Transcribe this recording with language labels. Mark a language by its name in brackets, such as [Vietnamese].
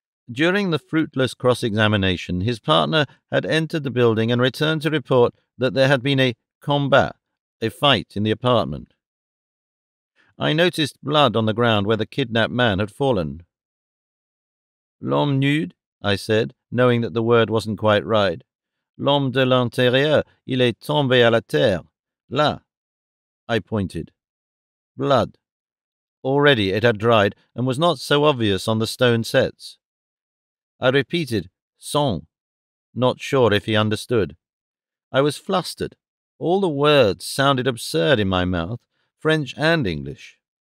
[English] During the fruitless cross-examination, his partner had entered the building and returned to report that there had been a combat, a fight, in the apartment. I noticed blood on the ground where the kidnapped man had fallen. [French] "L'homme [English] nude," I said, knowing that the word wasn't quite right. [French] "L'homme de l'intérieur, il est tombé à la terre. Là," [English] I pointed. Blood. Already it had dried and was not so obvious on the stone sets. I repeated, [French] "sang," [English] not sure if he understood. I was flustered. All the words sounded absurd in my mouth, French and English.